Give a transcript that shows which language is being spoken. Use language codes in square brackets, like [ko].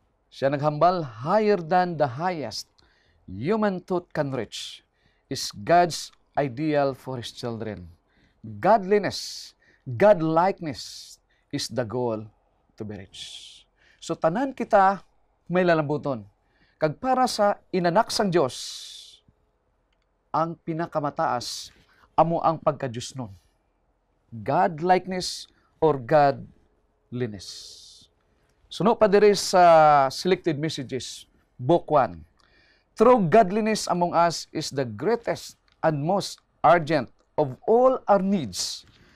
[hil] Siya naghambal, [en] higher than the highest human thought can reach is God's ideal for His children. Godliness, God-likeness is the goal to be reached. [hil] So tanan kita may lalambuton. Kag para sa inanak sang Diyos, ang pinakamataas amo ang pagka-Diyos nun. [en] God-likeness or God-liness. [hil] Suno pa diri sa selected messages, Book 1. [en] True godliness among us is the greatest and most urgent of all our needs.